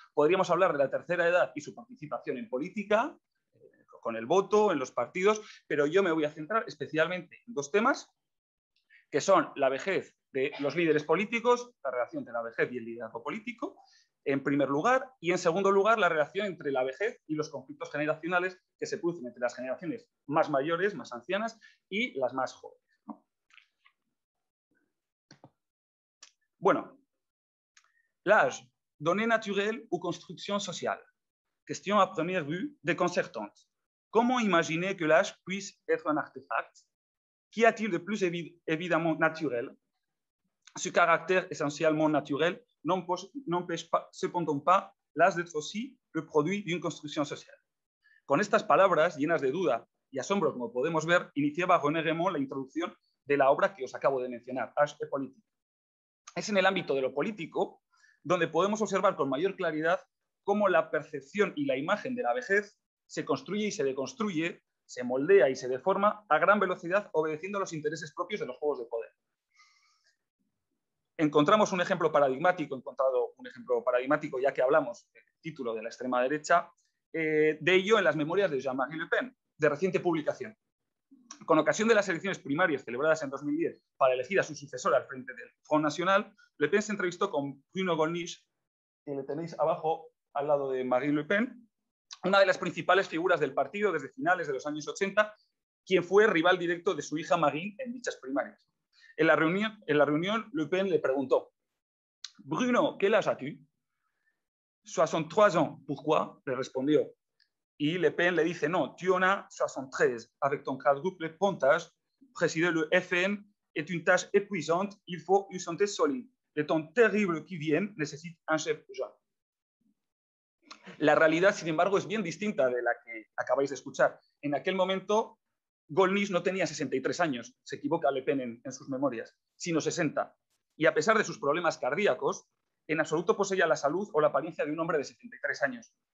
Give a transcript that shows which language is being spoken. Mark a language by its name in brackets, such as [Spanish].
[Spanish] Podríamos hablar de la tercera edad y su participación en política, con el voto, en los partidos, pero yo me voy a centrar especialmente en dos temas, que son la vejez de los líderes políticos, la relación entre la vejez y el liderazgo político, en primer lugar, y en segundo lugar, la relación entre la vejez y los conflictos generacionales que se producen entre las generaciones más mayores, más ancianas, y las más jóvenes. [French] Bueno, l'âge, donnée naturelle ou construction sociale? Question à première vue déconcertante. Comment imaginer que l'âge puisse être un artefact? Qu'y a-t-il de plus évidemment naturel? Ce caractère essentiellement naturel n'empêche cependant pas l'âge d'être aussi le produit d'une construction sociale. [Spanish] Con estas palabras, llenas de duda y asombro, como podemos ver, iniciaba René Remond la introducción de la obra que os acabo de mencionar, Âge et politique. Es en el ámbito de lo político donde podemos observar con mayor claridad cómo la percepción y la imagen de la vejez se construye y se deconstruye, se moldea y se deforma a gran velocidad obedeciendo a los intereses propios de los juegos de poder. Encontramos un ejemplo paradigmático, he encontrado un ejemplo paradigmático ya que hablamos del título de la extrema derecha, de ello en las memorias de Jean-Marie Le Pen, de reciente publicación. Con ocasión de las elecciones primarias celebradas en 2010 para elegir a su sucesor al frente del Front National, Le Pen se entrevistó con Bruno Gollnisch, que le tenéis abajo al lado de Marine Le Pen, una de las principales figuras del partido desde finales de los años 80, quien fue rival directo de su hija Marine en dichas primarias. En la reunión, Le Pen le preguntó: Bruno, ¿qué edad tienes? 63 años, ¿por qué? Le respondió. Y Le Pen le dice: No, [French] tu en as 73, avec ton quadruple pontage, présider le FN est une tâche épuisante, il faut une santé solide. Le temps terrible qui vient nécessite un chef jeune. [Spanish] La realidad, sin embargo, es bien distinta de la que acabáis de escuchar. En aquel momento, Gollnisch no tenía 63 años, se equivoca Le Pen en sus memorias, sino 60. y a pesar de sus problemas cardíacos, en absoluto poseía la salud o la apariencia de un hombre de 73 años.